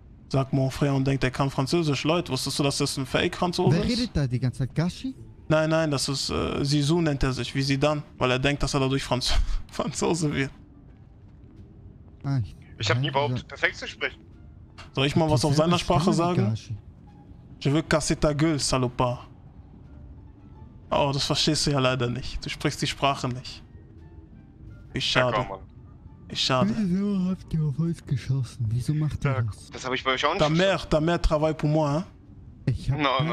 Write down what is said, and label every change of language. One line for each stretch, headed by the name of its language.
German: Sagt
French: mon frère
German: und denkt, er kann Französisch. Leute, wusstest du, dass das ein Fake-Franzose ist? Wer redet da die ganze Zeit? Gashi? Nein, das ist Zizou nennt er sich, wie Zidane, weil er denkt, dass er dadurch Franzose wird. Ich hab nie überhaupt perfekt zu sprechen. Soll ich mal was auf seiner Sprache sagen?
French: Je veux casser ta gueule, salopard.
German: Oh, das verstehst du ja leider nicht. Du sprichst die Sprache nicht. Wie schade. Wieso habt ihr auf euch geschossen? Wieso macht ihr das? Das hab ich bei euch auch nicht gesagt.
French: Da mehr travail pour moi, hein?